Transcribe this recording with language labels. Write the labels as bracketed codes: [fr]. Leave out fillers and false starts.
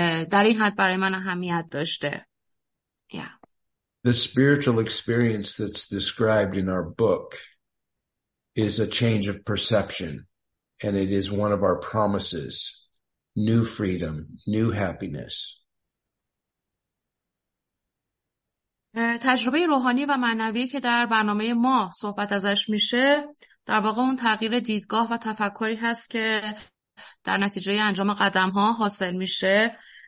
[fa] در این حد برای من اهمیت داشته. [en] Yeah. The spiritual experience that's described in our book is a change of perception, and it is one of our promises, new freedom, new happiness. [fa] تجربه روحانی و معنوی که در برنامه ما صحبت ازش میشه، در واقع اون تغییر دیدگاه و تفکری هست که در نتیجه انجام قدم ها حاصل میشه.